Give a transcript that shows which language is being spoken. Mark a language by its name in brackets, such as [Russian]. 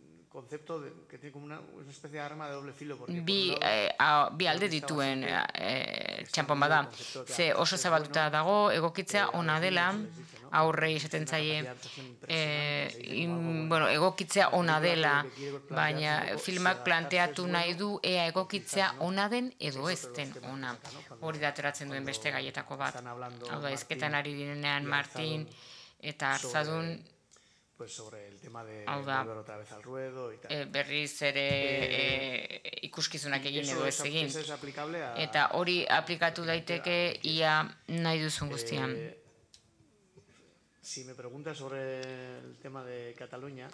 [Spanish] concepto de que tiene como una especie de arma de doble filo [Basque] porque bi alde dituen txampon bada. Ze oso zabalduta dago egokitzea ona dela aurrei esaten zaie egokitzea ona dela, baina filmak planteatu nahi du ea egokitzea ona den edo ez den ona. Hori da ateratzen duen beste gaietako bat. Hau da, hizketan ari direnean Martin eta Arzadun [Spanish] pues sobre el tema de volver otra vez al ruedo y tal. [Basque] Berriz ere ikuskizunak egin edo ez egin. Eta hori aplikatu daiteke ia nahi duzun guztian. [Spanish] Si me preguntas sobre el tema de Cataluña.